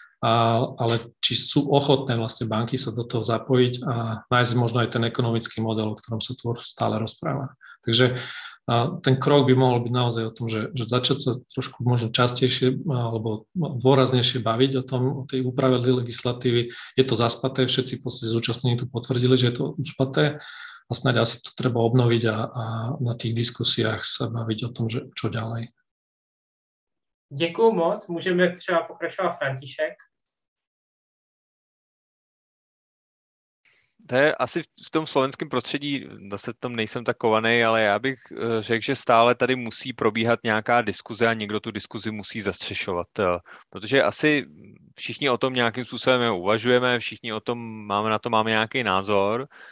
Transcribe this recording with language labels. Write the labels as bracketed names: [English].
[Slovak] ale či sú ochotné vlastne banky sa do toho zapojiť a nájsť možno aj ten ekonomický model, o ktorom sa tu stále rozpráva. Takže ten krok by mohol byť naozaj o tom, že začať sa trošku možno častejšie alebo dôraznejšie baviť o tom, o tej úprave legislatívy. Je to zaspaté, všetci vlastne zúčastnení tu potvrdili, že je to uspaté. A snáď asi to treba obnoviť a na tých diskusiách sa baviť o tom, že čo ďalej. Ďakujem moc. Môžeme třeba pokračovať, František. [Czech] To je asi v tom slovenském prostředí, zase tam nejsem tak kovaný, ale já bych řekl, že stále tady musí probíhat nějaká diskuze a někdo tu diskuzi musí zastřešovat. Protože asi všichni o tom nějakým způsobem uvažujeme, všichni o tom máme na to máme nějaký názor.